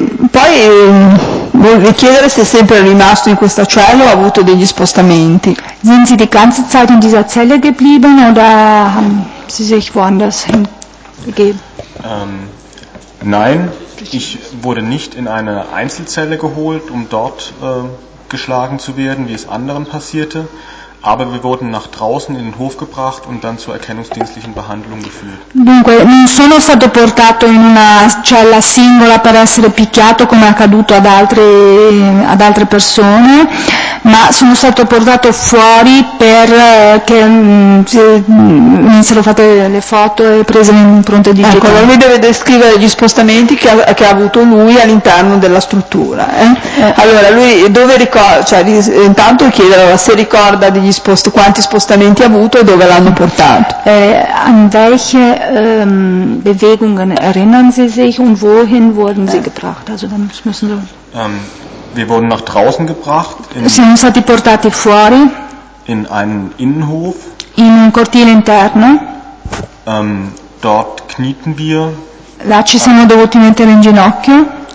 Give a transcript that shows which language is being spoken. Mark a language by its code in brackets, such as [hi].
[it] Poi vorrei chiedere se è sempre rimasto in questa cella o ha avuto degli spostamenti. [de] Sind Sie die ganze Zeit in dieser Zelle geblieben oder haben Sie sich woanders hingegeben? Nein, ich wurde nicht in eine Einzelzelle geholt, um dort geschlagen zu werden, wie es anderen passierte, aber wir wurden nach draußen in den Hof gebracht und dann zur erkennungsdienstlichen Behandlung geführt. [it] Dunque, non sono stato portato in una cella singola per essere picchiato come è accaduto ad altre persone, ma sono stato portato fuori per che mi sono fatte le foto e prese le impronte digitali. Ecco, lui deve descrivere gli spostamenti che ha avuto lui all'interno della struttura. Allora, lui dove ricorda, cioè intanto chiedere se ricorda degli quanti spostamenti ha avuto e dove l'hanno portato. [de] An welche Bewegungen erinnern Sie sich und wohin wurden Sie gebracht? Also dann müssen wir Wir wurden nach draußen gebracht. [it] Siamo stati portati fuori. [de] In einen Innenhof. [it] In un cortile interno. [de] Dort knieten wir. [it] Là ci siamo dovuti mettere in ginocchio.